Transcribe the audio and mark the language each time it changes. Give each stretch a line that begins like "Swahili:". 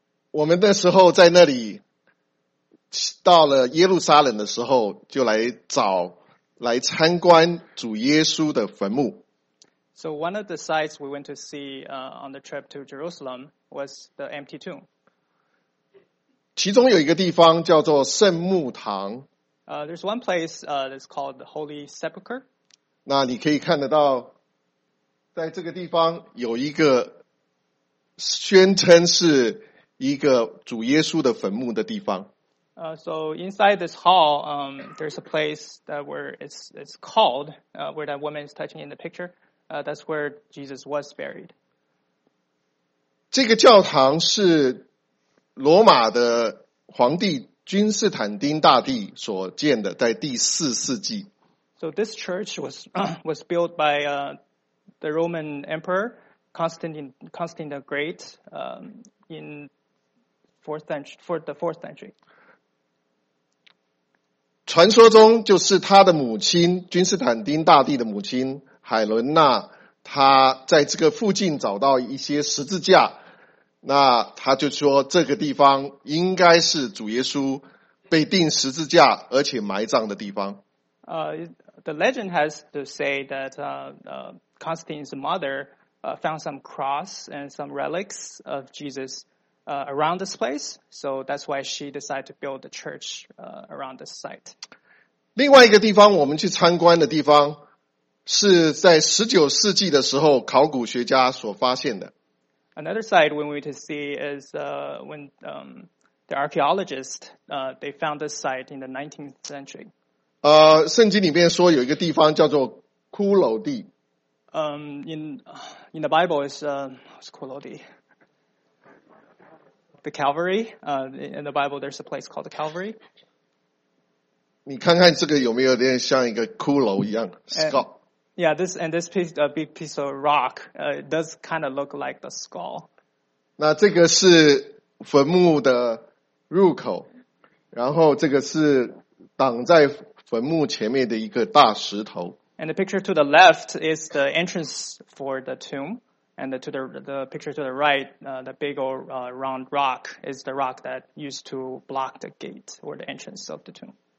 Chinese: 我们那时候在那里到了耶路撒冷的时候，就来找来参观主耶稣的坟墓。
English: So one of the sites we went to see on the trip to Jerusalem was the empty tomb.
Chinese: 其中有一个地方叫做圣墓堂。
English: There's one place that's called the Holy Sepulchre.
Chinese: 那你可以看得到，在这个地方有一个宣称是一个主耶稣的坟墓的地方。
English: So inside this hall, there's a place that where it's called where that woman is touching in the picture. That's where Jesus was buried.
Chinese: 这个教堂是。罗马的皇帝君士坦丁大帝所建的，在第4世纪。
English: So this church was built by the Roman Emperor Constantine the Great in the fourth century.
Chinese: 传说中就是他的母亲君士坦丁大帝的母亲海伦娜，他在这个附近找到一些十字架。那他就说这个地方应该是主耶稣被钉十字架而且埋葬的地方。
English: The legend has to say that Constantine's mother found some cross and some relics of Jesus around this place, so that's why she decided to build the church around this site.
Chinese: 另外一个地方我们去参观的地方是在19世纪的时候考古学家所发现的。
English: Another site we went to see is when the archaeologist they found this site in the 19th century.
Chinese: 圣经里面说有一个地方叫做骷髅地。
English: In the Bible is what's Kolodi? The Calvary. In the Bible, there's a place called the Calvary.
Chinese: 你看看这个有没有点像一个 骷髅一样 skull?
English: Yeah, this piece of rock does kind of look like the skull.
Chinese: 那这个是坟墓的入口，然后这个是挡在坟墓前面的一个大石头。
English: And the picture to the left is the entrance for the tomb, and the picture to the right, the big old round rock is the rock that used to block the gate or the entrance of the tomb.